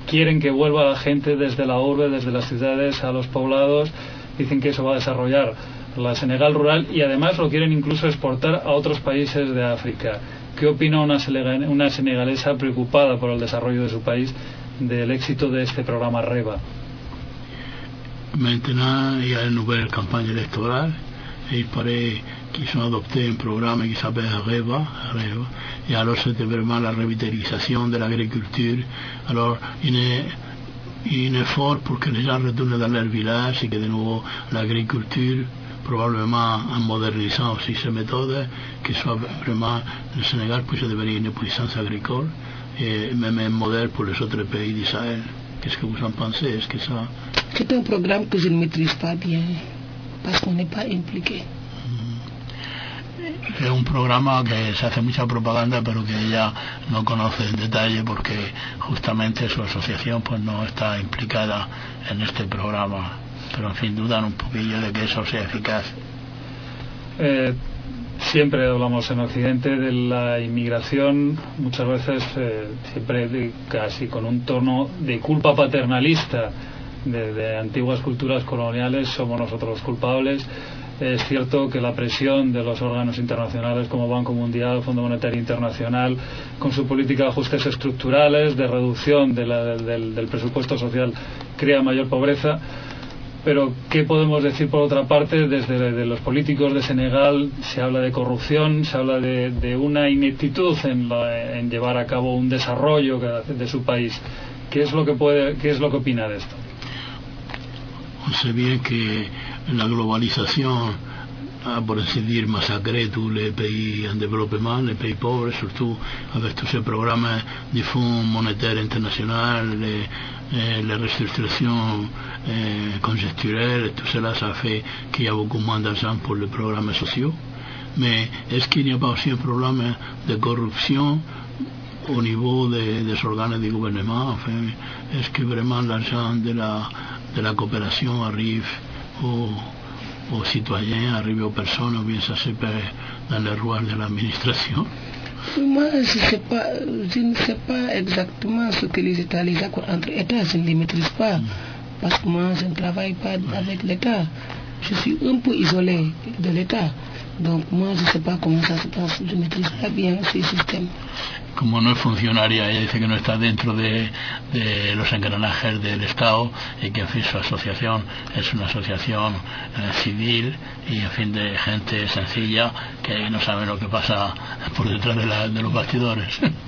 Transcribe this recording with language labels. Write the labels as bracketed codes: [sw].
[es] quieren que vuelva la gente desde la urbe, desde las ciudades a los poblados. Dicen que eso va a desarrollar la Senegal rural y además lo quieren incluso exportar a otros países de África. ¿Qué opina una senegalesa preocupada por el desarrollo de su país del éxito de este programa REVA? [fr] Maintenant, il y a une nouvelle campagne électorale. Il paraît qu'ils ont adopté un programme qui s'appelle REVA. REVA. Et alors, c'était vraiment la revitalisation de l'agriculture. Alors, il est. [es] Y un esfuerzo porque [fr] les gens retournent dans leur village [es] y que de nuevo la agricultura, probablemente en modernizando [fr] aussi ses méthodes, que soit vraiment el Senegal puisse devenir une puissance agricole, y même un modèle pour les autres pays d'Israël. Qu'est-ce que vous en pensez? Est-ce que ça... C'est un programme que je ne maîtrise pas bien, parce qu'on n'est pas impliqué. [es] Es un programa que se hace mucha propaganda pero que ella no conoce en detalle porque justamente su asociación pues no está implicada en este programa, pero en fin, dudan un poquillo de que eso sea eficaz. Siempre hablamos en Occidente de la inmigración, muchas veces siempre casi con un tono de culpa paternalista de antiguas culturas coloniales, somos nosotros los culpables. Es cierto que la presión de los órganos internacionales como Banco Mundial, Fondo Monetario Internacional, con su política de ajustes estructurales, de reducción del presupuesto social, crea mayor pobreza. Pero, ¿qué podemos decir por otra parte? Desde los políticos de Senegal se habla de corrupción, se habla de una ineptitud en llevar a cabo un desarrollo de su país. ¿Qué es lo que opina de esto? [fr] On sait bien que la globalisation a, pour ainsi dire, massacré tous les pays en développement, les pays pauvres, surtout avec tous ces programmes du Fonds monétaire international, les restructurations conjoncturelles, tout cela, ça fait qu'il y a beaucoup moins d'argent pour les programmes sociaux. Mais est-ce qu'il n'y a pas aussi un problème de corruption au niveau des organes du gouvernement? Enfin, est-ce que vraiment l'argent de la coopération arrive aux citoyens, arrive aux personnes, ou bien ça se perd dans les rouages de l'administration? Moi, je ne sais pas exactement ce que les États, les accords entre États, je ne les maîtrise pas, parce que moi, je ne travaille pas avec l'État. Je suis un peu isolé de l'État. Donc moi, je ne sais pas comment ça se passe, je ne maîtrise pas bien ce système. [es] Como no es funcionaria, ella dice que no está dentro de los engranajes del Estado y que en fin su asociación es una asociación civil y en fin de gente sencilla que no sabe lo que pasa por detrás de los bastidores.